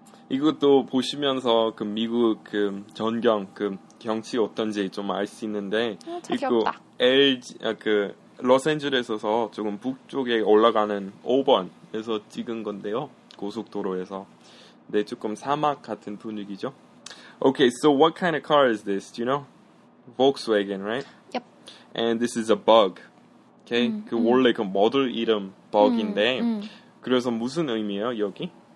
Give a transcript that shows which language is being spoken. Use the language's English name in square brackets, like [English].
[Korean] 이것도 보시면서 그 미국 그 전경 그 경치 어떤지 좀 알 수 있는데 있고 LG 아, 그 로스앤젤레스에서 조금 북쪽에 올라가는 5번에서 찍은 건데요. 고속도로에서 네 조금 사막 같은 분위기죠. [English] Okay, so what kind of car is this? Do you know? Volkswagen, right? Yep. And this is a bug. Okay? [Korean] 그 원래 그 모델 이름 bug인데 그래서 무슨 의미예요, 여기?